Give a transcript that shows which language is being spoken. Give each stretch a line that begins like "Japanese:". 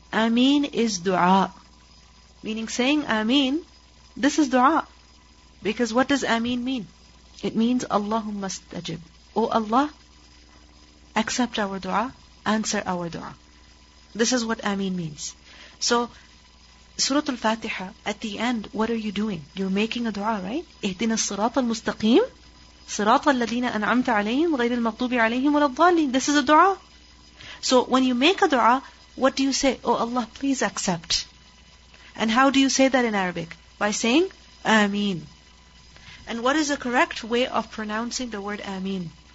English: Ameen is dua. Meaning saying Ameen, this is dua. Because what does Ameen mean? It means
Arabic: اللهم استجب.
English: O Allah, accept our dua, answer our dua. This is what Ameen means. So, Surah Al-Fatiha, at the end, what are you doing? You're making a dua, right?
Arabic: اهدنا الصراط المستقيم صراط الذين أنعمت عليهم غير المغضوب عليهم ولا الضالين.
English: This is a dua. So when you make a dua, what do you say? Oh Allah, please accept. And how do you say that in Arabic? By saying Ameen. And what is the correct way of pronouncing the word Ameen?